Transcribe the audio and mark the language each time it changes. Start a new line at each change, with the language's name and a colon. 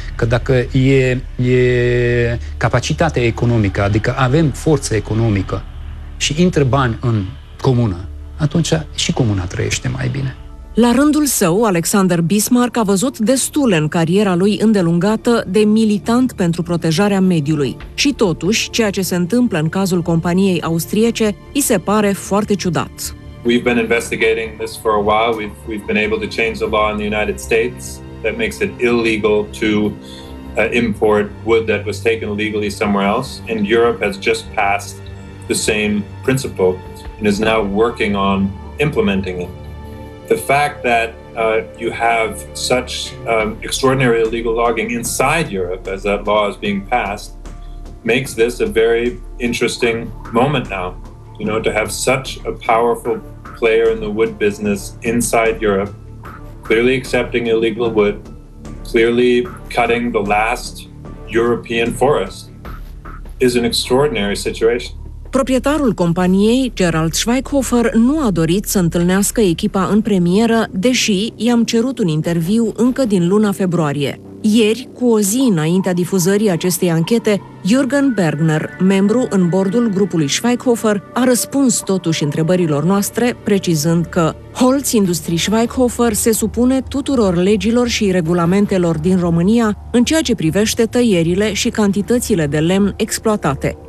Romanian: Că dacă e capacitatea economică, adică avem forță economică și intră bani în comună, atunci și comuna trăiește mai bine. La rândul său, Alexander Bismarck a văzut destule în cariera lui îndelungată de militant pentru protejarea mediului. Și totuși, ceea ce se întâmplă în cazul companiei austriece îi se pare foarte ciudat.
English: We've been investigating this for a while. We've been able to change the law in the United States that makes it illegal to import wood that was taken legally somewhere else. And Europe has just passed the same principle and is now working on implementing it. The fact that you have such extraordinary illegal logging inside Europe as that law is being passed makes this a very interesting moment now. You know, to have such a powerful player in the wood business inside Europe, clearly accepting illegal wood, clearly cutting the last European forest, is an extraordinary situation.
Romanian: Proprietarul companiei, Gerald Schweighofer, nu a dorit să întâlnească echipa în premieră, deși i-am cerut un interviu încă din luna februarie. Ieri, cu o zi înaintea difuzării acestei anchete, Jürgen Bergner, membru în bordul grupului Schweighofer, a răspuns totuși întrebărilor noastre, precizând că Holz Industrie Schweighofer se supune tuturor legilor și regulamentelor din România în ceea ce privește tăierile și cantitățile de lemn exploatate.